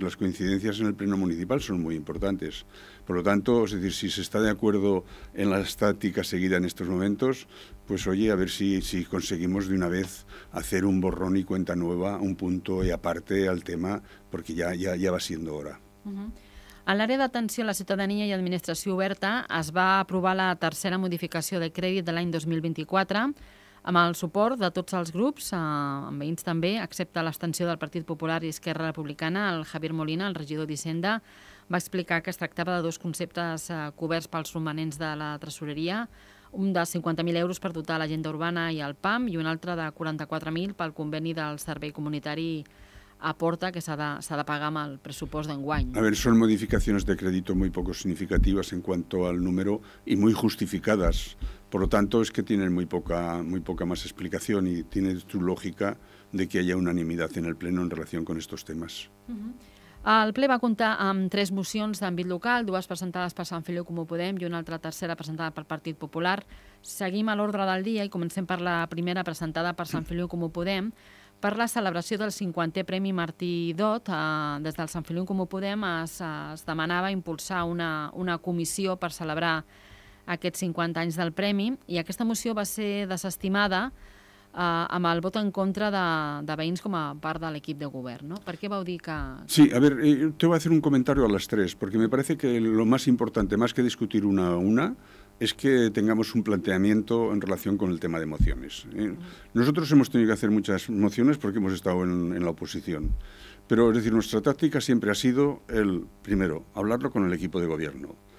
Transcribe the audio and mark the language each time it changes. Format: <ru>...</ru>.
<es>Las coincidencias en el Pleno Municipal son muy importantes. Por lo tanto, es decir, si se está de acuerdo en la estática seguida en estos momentos, pues oye, a ver si conseguimos de una vez hacer un borrón y cuenta nueva, un punto y aparte al tema, porque ya va siendo hora.</es> <ca>A l'àrea d'atenció a la ciutadania i administració oberta es va aprovar la tercera modificació de crèdit de l'any 2024 amb el suport de tots els grups, amb veïns també, excepte l'abstenció del Partit Popular i Esquerra Republicana. El Javier Molina, el regidor d'Hisenda, va explicar que es tractava de dos conceptes coberts pels romanents de la tresoreria, un de 50.000 euros per dotar l'agenda urbana i el PAM i un altre de 44.000 pel conveni del servei comunitari aporta que s'ha de pagar amb el pressupost d'enguany.</ca> <es>A ver, son modificaciones de crédito muy poco significativas en cuanto al número y muy justificadas. Por lo tanto, es que tienen muy poca más explicación y tiene su lógica de que haya unanimidad en el Pleno en relación con estos temas.</es> <ca>El ple va comptar amb tres mocions d'àmbit local, dues presentades per Sant Feliu Comú Podem i una altra tercera presentada pel Partit Popular. Seguim a l'ordre del dia i comencem per la primera presentada per Sant Feliu Comú Podem. Per la celebració del 50è Premi Martí Dot, des del Sant Feliu Comú Podem es demanava impulsar una comissió per celebrar aquests 50 anys del premi i aquesta moció va ser desestimada amb el vot en contra de veïns com a part de l'equip de govern, no? Per què vau dir que...</ca> <es>Sí, a ver, te voy a hacer un comentario a las tres, porque me parece que lo más importante, más que discutir una a una, es que tengamos un planteamiento en relación con el tema de mociones. Nosotros hemos tenido que hacer muchas mociones porque hemos estado en la oposición. Pero, es decir, nuestra táctica siempre ha sido el, primero, hablarlo con el equipo de gobierno.</es>